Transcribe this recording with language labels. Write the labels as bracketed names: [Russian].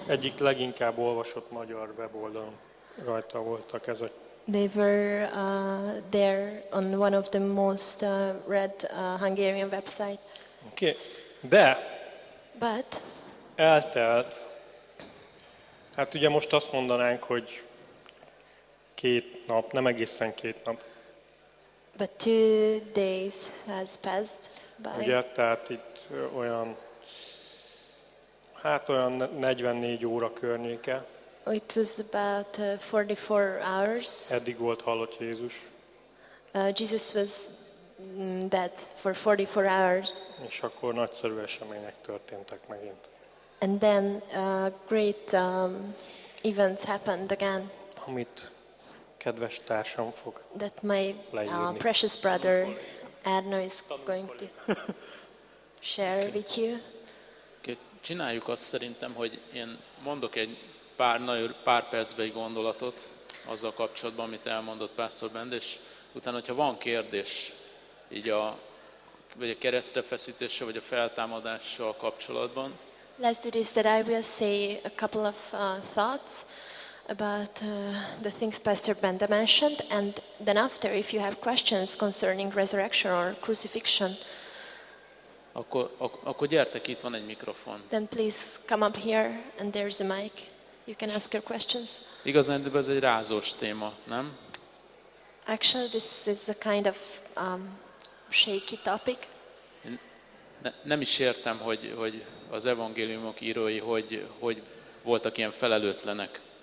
[Hungarian] Egyik leginkább olvasott magyar weboldalon rajta voltak ezek. [English] They were there on one of the most read Hungarian website. [Hungarian] Okay. De. [English] But. [Hungarian] Eltelt. Hát ugye most azt mondanánk, hogy két nap, nem egészen két nap. [English] But 2 days has passed by. [Hungarian] Ugye, tehát itt olyan, hát olyan 44 óra környéke. [English] It was about 44 hours. [Hungarian] Eddig volt halott Jézus. [English] Jesus was dead for 44 hours. [Hungarian] És akkor nagyszerű események történtek megint. [English] And then great events happened again. [Hungarian] Amit kedves társam fog. [English] That my precious brother Arno is going to share okay. With you. Okay. [Hungarian] Csináljuk azt szerintem, hogy én mondok egy pár percbe egy gondolatot azzal kapcsolatban, amit elmondott Pásztor Bend, és utána, hogyha van kérdés így a vagy a keresztrefeszítéssel, vagy a feltámadással kapcsolatban. [English] Let's do this, that I will say a couple of thoughts about the things Pastor Bend mentioned, and then after, if you have questions concerning resurrection or crucifixion, [Hungarian] akkor gyertek, itt van egy mikrofon. [English] Then please come up here, and there's a mic. You can ask your questions. [Hungarian] Igazán, de ez egy rázós téma, nem? [English] Actually, this is a kind of shaky topic. [Hungarian] Nem is értem, hogy az evangéliumok írói hogy voltak ilyen felelőtlenek.